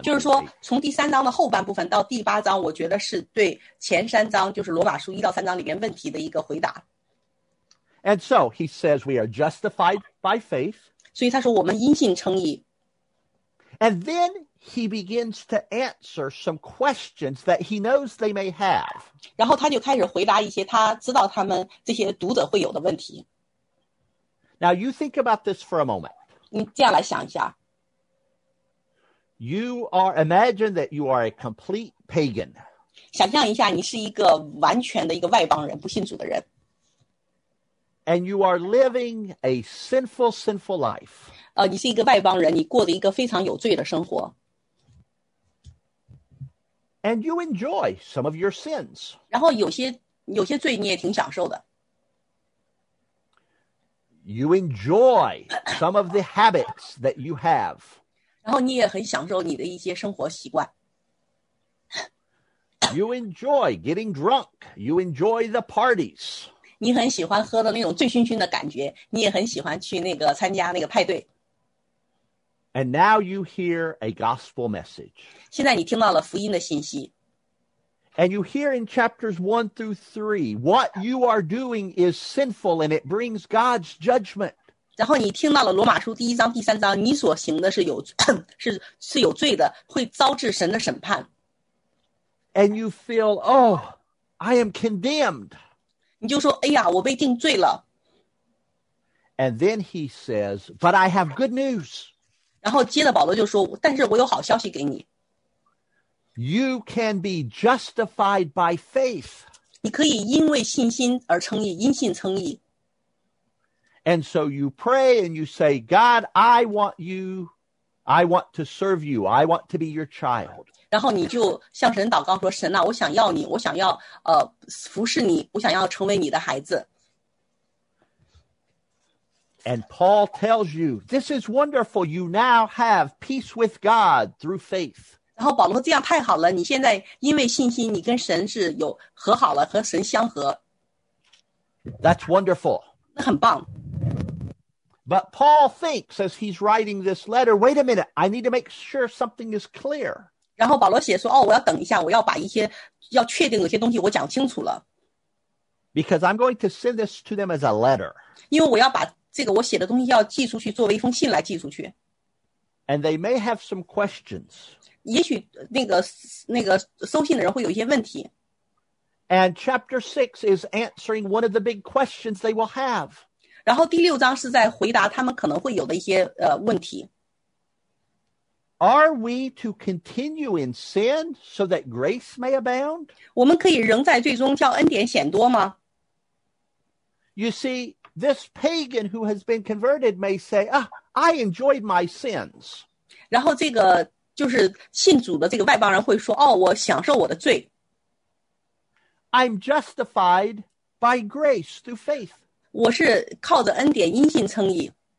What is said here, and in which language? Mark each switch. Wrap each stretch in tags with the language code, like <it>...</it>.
<zh>Okay, 就是说从第三章的后半部分到第八章，我觉得是对前三章，就是罗马书一到三章里面问题的一个回答。</zh> <en>And so he says we are justified by faith.</en> <zh>所以他说我们因信称义。</zh> <en>And then he begins to answer some questions that he knows they may have.</en> <zh>然后他就开始回答一些他知道他们这些读者会有的问题。</zh> <en>Now you think about this for a moment.</en> <zh>你这样来想一下。</zh> <en>You are, imagine that you are a complete pagan.</en> <zh>想象一下你是一个完全的一个外邦人，不信主的人。</zh> <en>And you are living a sinful, sinful life.</en> <zh>你是一个外邦人，你过着一个非常有罪的生活。</zh> <en>And you enjoy some of your sins.</en> <zh>然后有些罪你也挺享受的。</zh> <en>You enjoy some of the habits that you have.</en> <zh>然后你也很享受你的一些生活习惯。</zh> <en>You enjoy getting drunk. You enjoy the parties.</en> <zh>你很喜欢喝的那种醉醺醺的感觉，你也很喜欢去那个参加那个派对。</zh> <en>And now you hear a gospel message.</en> <zh>现在你听到了福音的信息。</zh> <en>And you hear in chapters 1 through 3, what you are doing is sinful and it brings God's judgment.</en> <zh>然后你听到了罗马书第一章、第三章，你所行的是有罪的，会招致神的审判。</zh> <en>And you feel, oh, I am condemned.</en> <zh>你就说，哎呀，我被定罪了。</zh> <en>And then he says, but I have good news.</en> <zh>然后接着保罗就说，但是我有好消息给你。</zh> <en>You can be justified by faith.</en> <zh>你可以因为信心而称义，因信称义。</zh> <en>And so you pray and you say, God, I want to serve you. I want to be your child.</en> <zh>然后你就向神祷告说，神啊，我想要你，我想要服侍你，我想要成为你的孩子。</zh> <en>And Paul tells you, this is wonderful, you now have peace with God through faith.</en> <zh>然后保罗说，这样太好了，你现在因为信心，你跟神是有和好了，和神相合。</zh> <en>That's wonderful.</en> <zh>那很棒。</zh> <en>But Paul thinks, as he's writing this letter, wait a minute, I need to make sure something is clear.</en> <zh>然后保罗写说，哦，我要等一下，我要把一些要确定的一些东西我讲清楚了。</zh> <en>Because I'm going to send this to them as a letter.</en> <zh>因为我要把这个我写的东西要寄出去，作为一封信来寄出去。</zh> <en>And they may have some questions.</en> <zh>也许那个收信的人会有一些问题。</zh> <en>And chapter 6 is answering one of the big questions they will have.</en> <zh>然后第六章是在回答他们可能会有的一些问题。</zh> <en>Are we to continue in sin so that grace may abound?</en> <zh>我们可以仍在罪中叫恩典显多吗？</zh> <en>You see, this pagan who has been converted may say, "Ah, I enjoyed my sins."</en> <zh>然后这个就是信主的这个外邦人会说，哦，我享受我的罪。</zh> <en>I'm justified by grace through faith.</en> <zh>我是靠着恩典因信称义。</zh>